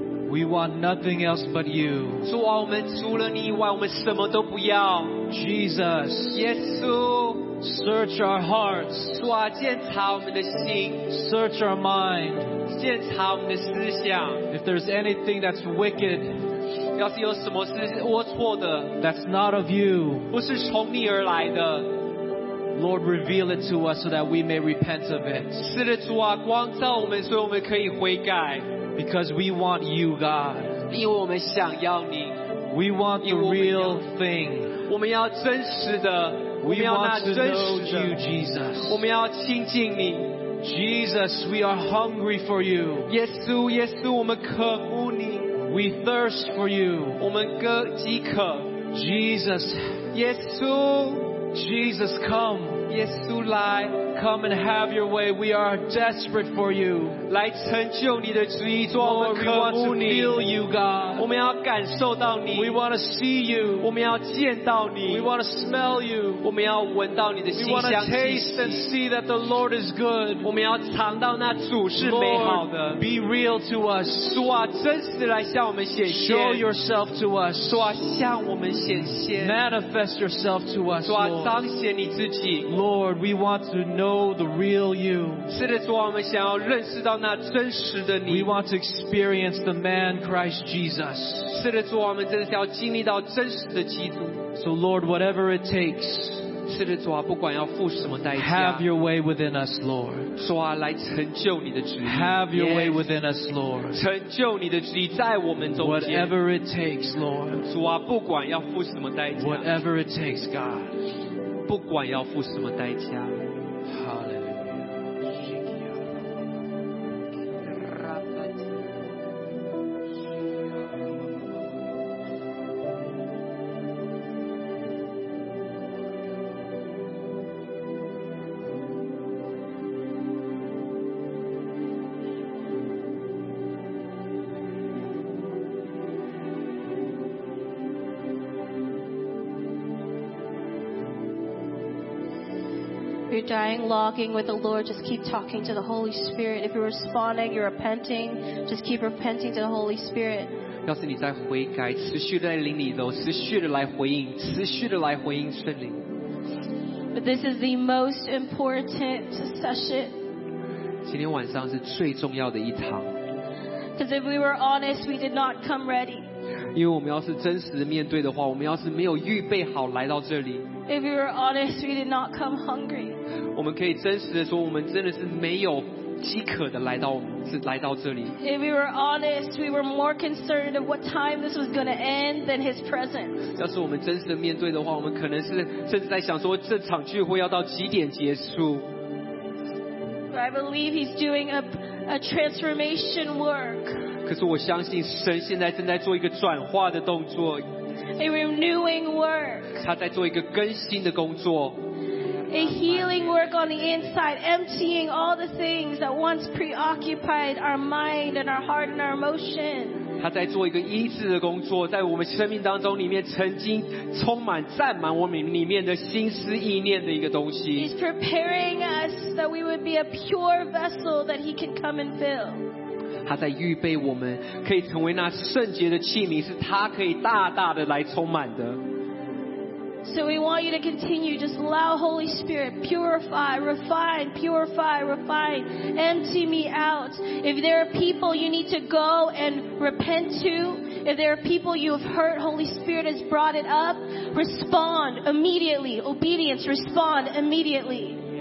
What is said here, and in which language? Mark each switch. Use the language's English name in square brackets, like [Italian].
[English] We want nothing else but you. [Chinese] 主啊，我们除了你以外，我们什么都不要。 [English] Jesus, [Chinese] 耶稣。 [English] Search our hearts. [Chinese] 主啊，检查我们的心。 [English] Search our mind. [Chinese] 检查我们的思想。 [English] If there's anything that's wicked, [Chinese] 要是有什么是龌龊的， [English] that's not of you. [Chinese] 不是从你而来的。 [English] Lord, reveal it to us so that we may repent of it. [Chinese] 是的，主啊，光照我们，所以我们可以悔改。 [English] Because we want you, God. [Chinese] 因为我们想要你。 [English] We want the real thing. [Chinese] 我们要真实的。 [English] We want to know you, Jesus. [Chinese] 我们要亲近你。 [English] Jesus, we are hungry for you. [Chinese] 耶稣，耶稣，我们渴慕你。 [English] We thirst for you. [Chinese] 我们渴饥渴。 [English] Jesus. [Chinese] 耶稣。 [English] Jesus, come. Yes, to lie. Come and have your way. We are desperate for you. [Chinese] 来成就你的旨意，主啊，我们渴慕你。 [English] We want to feel you, God. [Chinese] 我们要感受到你。 [English] We want to see you. [Chinese] 我们要见到你。 [English] We want to smell you. [Chinese] 我们要闻到你的馨香气息。 [English] We want to taste and see that the Lord is good. [Chinese] 我们要尝到那主是美好的。 [English] Lord, be real to us. [Chinese] 主啊，真实来向我们显现。 [English] Show yourself to us. [Chinese] 主啊，向我们显现。 [English] Manifest yourself to us. [Chinese] 主啊，彰显你自己。 [English] Lord, we want to know the real you. [Chinese] 是的，主啊，我们想要认识到那真实的你。 [English] We want to experience the man Christ Jesus. [Chinese] 是的，主啊，我们真的是要经历到真实的基督。 [English] So Lord, whatever it takes. [Chinese] 是的，主啊，不管要付什么代价。 [English] Have your way within us, Lord. [Chinese] 主啊，来成就你的旨意。 [English] Have your way within us, Lord. [Chinese] 成就你的旨意在我们中间。 [English] Whatever it takes, Lord. [Chinese] 主啊，不管要付什么代价。 [English] Whatever it takes, God. [Chinese] 不管要付什么代价。 [English] Dying, logging with the Lord, just keep talking to the Holy Spirit. If you're responding, you're repenting, just keep repenting to the Holy Spirit. [Chinese] 要是你在悔改，持续在灵里头，持续的来回应，持续的来回应圣灵。 [English] But this is the most important session. [Chinese] 今天晚上是最重要的一堂。 [English] Because if we were honest, we did not come ready. [Chinese] 因为我们要是真实的面对的话，我们要是没有预备好来到这里。 [English] If we were honest, we did not come hungry. [Chinese] 我们可以真实的说，我们真的是没有饥渴的来到这里。 [English] If we were honest, we were more concerned of what time this was going to end than His presence. [Chinese] 要是我们真实的面对的话，我们可能是甚至在想说，这场聚会要到几点结束。 [English] But I believe He's doing a transformation work. [Chinese] 可是我相信神现在正在做一个转化的动作。 [English] A renewing work. [Chinese] 他在做一个更新的工作。 [English] a healing work on the inside, emptying all the things that once preoccupied our mind and our heart and our emotion. [Chinese] 他在做一个医治的工作，在我们生命当中里面曾经充满占满我们里面的心思意念的一个东西。 [English] He's preparing us that we would be a pure vessel that He can come and fill. [Chinese] 他在预备我们可以成为那圣洁的器皿，是他可以大大的来充满的。 [English] So we want you to continue, just allow Holy Spirit, purify, refine, purify, refine, empty me out. If there are people you need to go and repent to, if there are people you have hurt, Holy Spirit has brought it up, respond immediately, obedience, respond immediately.